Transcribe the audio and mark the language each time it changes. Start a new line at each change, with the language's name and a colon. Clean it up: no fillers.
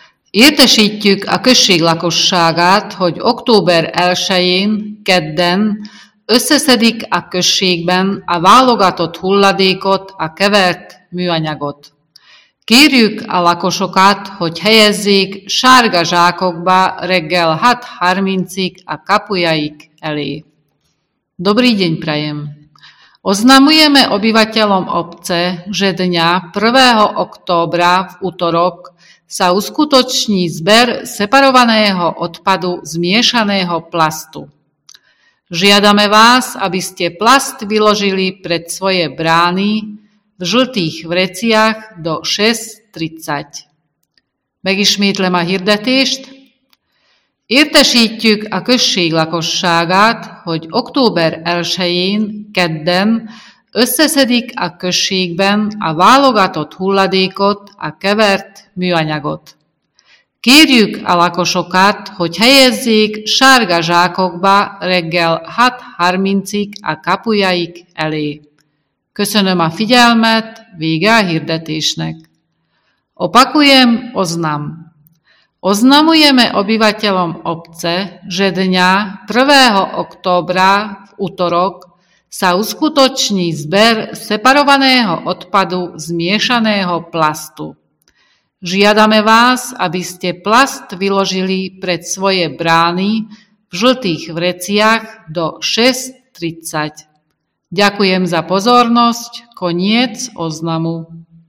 Hungarian: Értesítjük a község lakosságát, hogy október 1-én, kedden összeszedik a községben a válogatott hulladékot, a kevert műanyagot. Kérjük a lakosokat, hogy helyezzék sárga zsákokba reggel 6:30-ig a kapujaik elé.
Slovak: Dobrý deň prajem! Oznamujeme obyvateľom obce, že dňa 1. októbra v utorok sa uskutoční zber separovaného odpadu zmiešaného plastu. Žiadame vás, aby ste plast vyložili pred svoje brány v žltých vreciach do 6:30.
Hungarian: Megismétlem a hirdetést. Értesítjük a község lakosságát, hogy október 1-én, kedden összeszedik a községben a válogatott hulladékot, a kevert műanyagot. Kérjük a lakosokat, hogy helyezzék sárga zsákokba reggel 6:30-ig a kapujaik elé. Köszönöm a figyelmet, vége a hirdetésnek.
Slovak: Opakujem, oznam. Oznamujeme obyvateľom obce, že dňa 1. októbra v utorok sa uskutoční zber separovaného odpadu zmiešaného plastu. Žiadame vás, aby ste plast vyložili pred svoje brány v žltých vreciach do 6:30. Ďakujem za pozornosť. Koniec oznamu.